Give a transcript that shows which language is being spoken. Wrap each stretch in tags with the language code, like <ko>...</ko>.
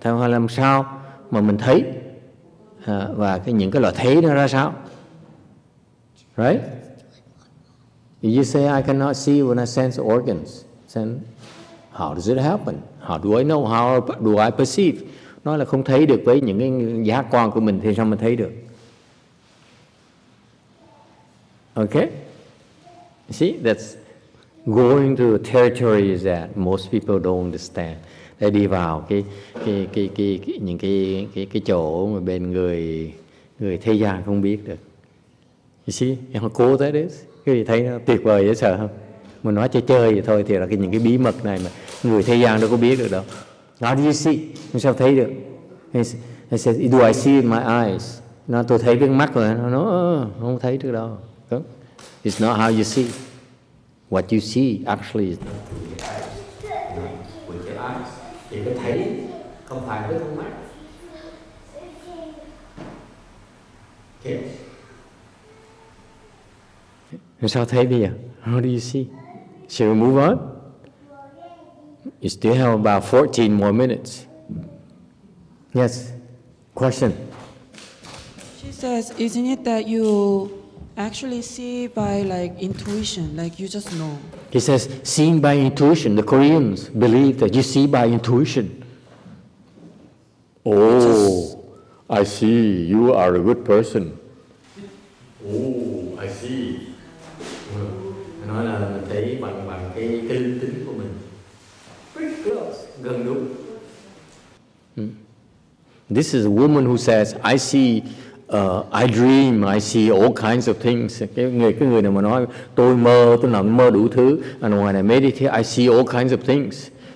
<vi>Thay hoa làm sao mà mình thấy? Và cái những cái loại thấy nó ra sao?</vi> <en>Right? You say, I cannot see when I sense organs. Then how does it happen? How do I know? How do I perceive?</en> <vi>Nó là không thấy được với những cái giác quan của mình thì sao mà thấy được?</vi> <en>Okay? See, that's going to a territory that most people don't understand.</en> <vi>Để đi vào cái chỗ mà bên người thế gian không biết được.</vi> <en>You see, how cool that is?</en> <vi>Cái gì thấy nó tuyệt vời dễ sợ không? Mà nói chơi chơi vậy thôi thì là cái những cái bí mật này mà người thế gian đâu có biết được đâu.</vi> <en>How do you see?</en> <vi>Sao thấy được?</vi> <en>He said, do I see in my eyes?</en> <vi>Nó tôi thấy với mắt rồi. Nó không thấy được đâu. Đúng.</vi> <en>It's not how you see. What you see actually is not through your eyes.</en> <vi>Thấy không phải với con mắt.</vi> <en>Okay.</en> <vi>Sao thấy bây giờ?</vi> <en>How do you see? Shall we move on? You still have about 14 more minutes. Yes. Question. She says, isn't it that you actually see by like intuition, like you just know? He says, seeing by intuition. The Koreans believe that you see by intuition. Oh, I see. You are a good person. Oh, I see.</en> <vi>Nói là mình thấy bằng cái tinh tính của mình.</vi> <en>Pretty close.</en> <vi>Gần đúng.</vi> <en>This is a woman who says, I see, I dream, I see all kinds of things.</en> <vi>Cái người nào mà nói, tôi mơ đủ thứ.</vi> <en>And when I meditate, I see all kinds of things.</en>